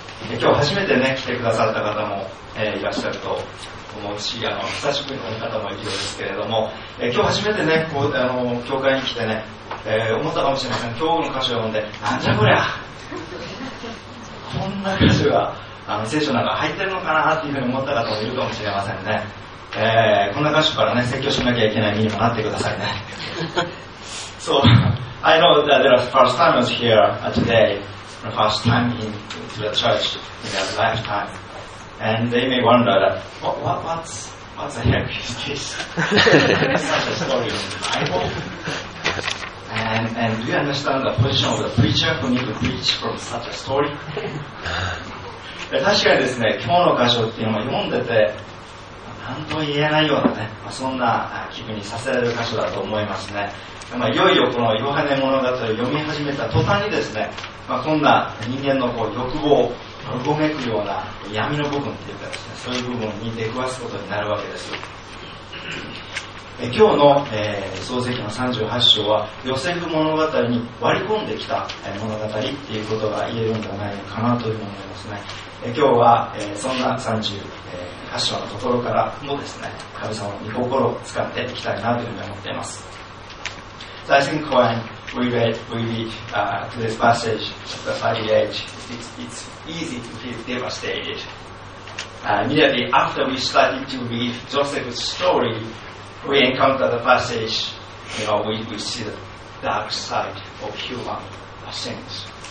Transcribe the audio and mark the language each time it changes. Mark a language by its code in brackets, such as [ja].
[ja] 今日初めてね来てくださった方も、いらっしゃると思うし、久しぶりの方もいるんですけれども、今日初めてねこう教会に来てね、思ったかもしれません。今日の箇所を読んで、なんじゃこりゃこんな箇所が聖書なんか入ってるのかなっていうふうに思った方もいるかもしれませんね。こんな箇所からね説教しなきゃいけない身にもなってくださいね。 [en] So, I know that there are first timers here today, the first time in the church in their lifetime. And they may wonder, what the heck is this? Such a story in the Bible. And do you understand the position of the preacher who needs to preach from such a story? [ja] 確かにですね、今日の箇所っていうのを読んでて、何とも言えないようなね、そんな気分にさせられる箇所だと思いますね。いよいよこのヨハネ物語を読み始めた途端にですね、こんな人間のこう欲望をうごめくような闇の部分というかですね、そういう部分に出くわすことになるわけです。今日の、創世記の38章はヨセフ物語に割り込んできた物語っていうことが言えるんじゃないかなというふうに思いますね。今日は、そんな38章のところからもですね、神様の御心を使っていきたいなというふうに思っています。 [en] So I think when we read to this passage, chapter 38, it's easy to feel devastated. Immediately after we started to read Joseph's story, we encounter the passage, you know, we see the dark side of human sins.